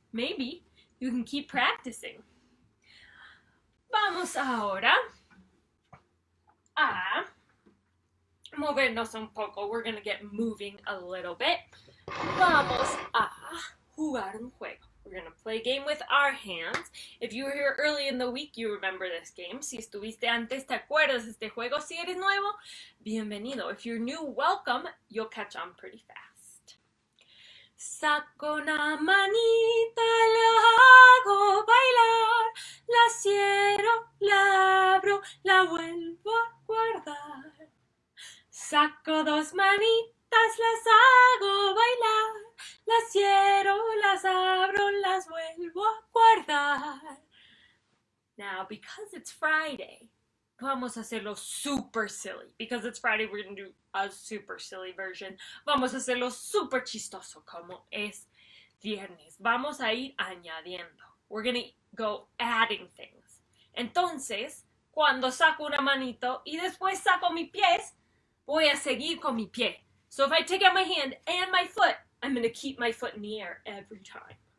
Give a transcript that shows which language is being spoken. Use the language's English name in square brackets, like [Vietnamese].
[English] Maybe. You can keep practicing. [Spanish] Vamos ahora a movernos un poco. [English] We're gonna get moving a little bit. [Spanish] Vamos a jugar un juego. [English] We're gonna play a game with our hands. If you were here early in the week, you remember this game. [Spanish] Si estuviste antes, te acuerdas de este juego. Si eres nuevo, bienvenido. [English] If you're new, welcome. You'll catch on pretty fast. [Spanish] Saco una manita, la hago bailar, la cierro, la abro, la vuelvo a guardar. Saco dos manitas, las hago bailar, las cierro, las abro, las vuelvo a guardar. [English] Now, because it's Friday, [Spanish] vamos a hacerlo [English] super silly. Because it's Friday, we're gonna do a super silly version. [Spanish] Vamos a hacerlo super chistoso, como es viernes. Vamos a ir añadiendo. [English] We're gonna go adding things. [Spanish] Entonces, cuando saco una manito y después saco mi pies, voy a seguir con mi pie. [English] So if I take out my hand and my foot, I'm gonna keep my foot in the air every time.